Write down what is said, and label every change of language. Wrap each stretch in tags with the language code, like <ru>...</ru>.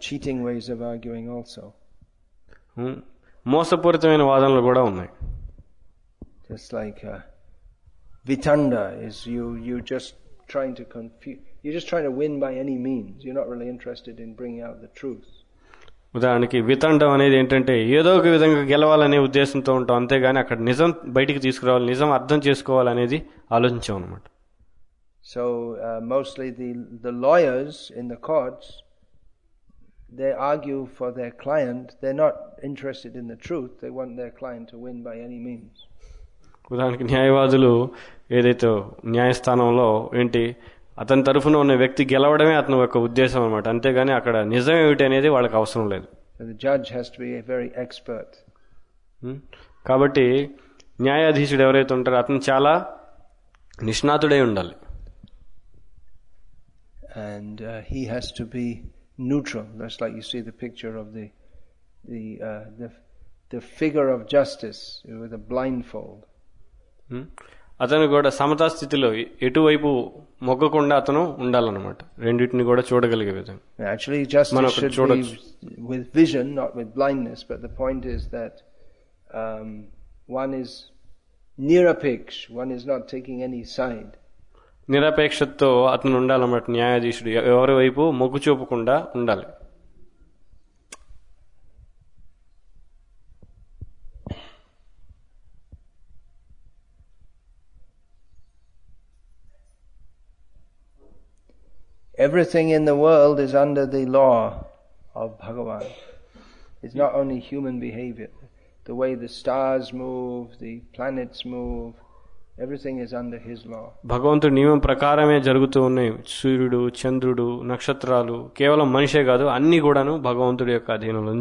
<en>Cheating ways of arguing also.</en> <te>Mosapuritamaina vadanalu kuda unnai.</te> <en>Just like vitanda is you just trying to confuse, you're just trying to win by any means, you're not really interested in bringing out the truth.</en> <te>ఉదాహరణకి వితండం అనేది ఏంటంటే ఏదో ఒక విధంగా గెలవాలనే ఉద్దేశంతో ఉంటాం, అంతేగాని అక్కడ నిజం బయటికి తీసుకురావాలి, నిజం అర్థం చేసుకోవాలనేది ఆలోచించాం అన్నమాట.</te> <en>So mostly the lawyers in the courts they argue for their client, they not interested in the truth, they want their client to win by any means.</en> <te>ఉదాహరణకి న్యాయవాదులు ఏదైతే న్యాయస్థానంలో ఏంటి అతని తరఫున ఉన్న వ్యక్తి గెలవడమే అతని యొక్క ఉద్దేశం అన్నమాట, అంతేగాని అక్కడ నిజం ఏమిటి అనేది వాళ్ళకి అవసరం లేదు.</te> <en>The judge has to be a very expert.</en> <te>కాబట్టి న్యాయాధీశుడు ఎవరైతే ఉంటారో అతను చాలా నిష్ణాతుడై ఉండాలి.</te> <en>And he has to be neutral. That's like you see the picture of the figure of justice with a blindfold.</en> <te>అతను కూడా సమతాస్థితిలో ఎటువైపు మొగ్గకుండా అతను ఉండాలన్నమాట, రెండింటిని కూడా చూడగలిగే విధంగా. నిరపేక్షతో అతను ఉండాలన్నమాట న్యాయాధీశుడు, ఎవరి వైపు మొగ్గు చూపకుండా ఉండాలి.</te> <en>Everything in the world is under the law of Bhagavan. It's not only human behavior. The way the stars move, the planets move, everything is under his law.</en> <te>భగవంతుడి నియమం ప్రకారమే జరుగుతూ ఉన్నాయి. సూర్యుడు, చంద్రుడు, నక్షత్రాలు, కేవలం మనిషే కాదు, అన్ని కూడాను భగవంతుడి యొక్క అధీనంలో</te>